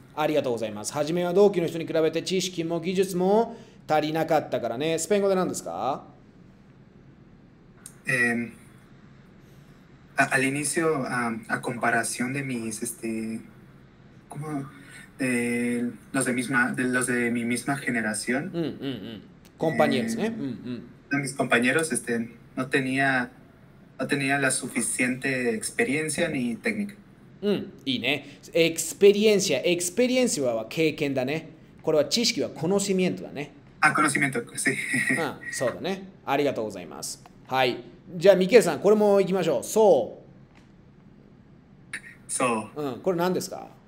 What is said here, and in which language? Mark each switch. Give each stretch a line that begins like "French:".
Japanese: ありがとうございます。はじめは同期の人に比べて知識も技術も足りなかったからね。スペイン語で何ですか？
Spanish: Al inicio, a comparación de mis, como de los de mi misma generación, Compañeros, ¿eh? de mis compañeros, no tenía la suficiente experiencia ni técnica.
Japanese: いいね。 Experiencia は経験だね。これは知識は conocimiento だね。
Spanish: Ah, conocimiento, sí.
Japanese: そうだね。ありがとうございます。はい。じゃあ、ミケルさん、これもいきましょう。そそう。これ何ですか？